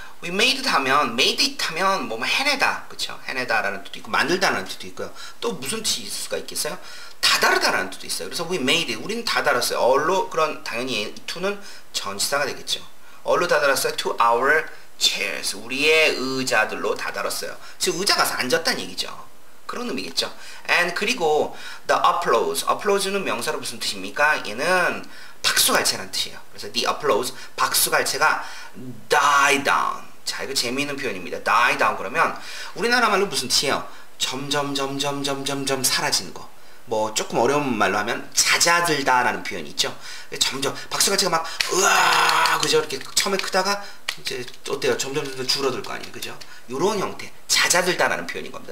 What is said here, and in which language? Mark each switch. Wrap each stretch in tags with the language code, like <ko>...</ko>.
<en>We made it</en> <ko>하면, made it 하면 뭐 해내다. 그쵸? 해내다라는 뜻도 있고, 만들다라는 뜻도 있고요. 또 무슨 뜻이 있을 수가 있겠어요? 다다르다라는 뜻도 있어요. 그래서</ko> <en>we made it.</en> <ko>우리는 다다랐어요. all로, 그런 당연히 to는 전치사가 되겠죠. all로 다다랐어요.</ko> <en>to our chairs.</en> <ko>우리의 의자들로 다다랐어요. 즉 의자 가서 앉았다는 얘기죠. 그런 의미겠죠.</ko> <en>And</en> <ko>그리고</ko> <en>the applause.</en> <ko>applause는 명사로 무슨 뜻입니까? 얘는 박수갈채라는 뜻이에요.</ko> <en>그래서 the applause,</en> <ko>박수갈채가</ko> <en>die down.</en> <ko>자, 이거 재미있는 표현입니다.</ko> <en>die down.</en> <ko>그러면 우리나라 말로 무슨 뜻이에요? 점점 사라지는 거. 뭐 조금 어려운 말로 하면 잦아들다 라는 표현이 있죠. 점점 박수갈채가 막 으아 그죠? 이렇게 처음에 크다가 이제 어때요? 점점 줄어들 거 아니에요? 그죠? 요런 형태 잦아들다 라는 표현인 겁니다.</ko>